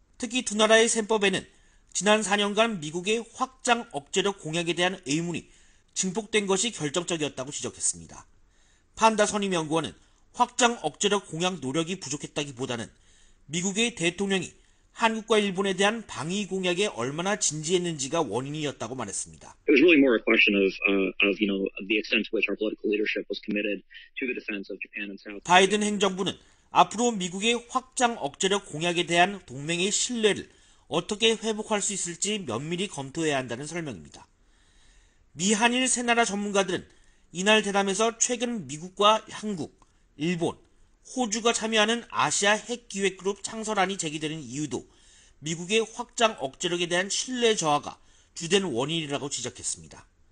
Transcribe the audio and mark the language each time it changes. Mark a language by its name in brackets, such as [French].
[Korean] 특히 두 나라의 셈법에는 지난 4년간 미국의 확장 억제력 공약에 대한 의문이 증폭된 것이 결정적이었다고 지적했습니다. 판다 선임연구원은 확장 억제력 공약 노력이 부족했다기보다는 미국의 대통령이 한국과 일본에 대한 방위 공약에 얼마나 진지했는지가 원인이었다고 말했습니다. [English] It was really more a question of you know the extent to which our political leadership was committed to the defense of Japan and South. [Korean] 바이든 행정부는 앞으로 미국의 확장 억제력 공약에 대한 동맹의 신뢰를 어떻게 회복할 수 있을지 면밀히 검토해야 한다는 설명입니다. 미한일 세 나라 전문가들은 이날 대담에서 최근 미국과 한국, 일본, 호주가 참여하는 아시아 핵기획그룹 창설안이 제기되는 이유도 미국의 확장 억제력에 대한 신뢰 저하가 주된 원인이라고 지적했습니다.